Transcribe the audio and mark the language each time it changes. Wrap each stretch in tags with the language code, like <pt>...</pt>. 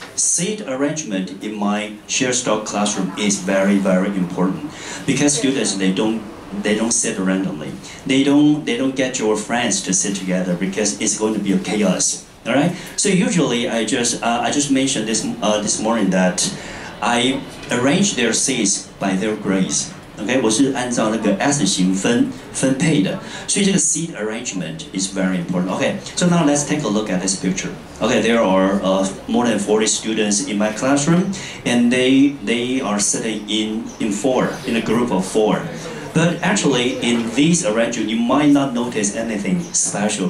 <en>Seat arrangement in my shared stock classroom is very, very important because students, they don't sit randomly. They don't get your friends to sit together because it's going to be a chaos. All right. So usually I just mentioned this morning that I arrange their seats by their grades. Okay.</en> <zh>我是按照那个 S 型分配的。所以这个</zh> <en>seat arrangement is very important. Okay. So now let's take a look at this picture. Okay. There are more than 40 students in my classroom, and they are sitting in a group of four. But actually, in this arrangement, you might not notice anything special.</en>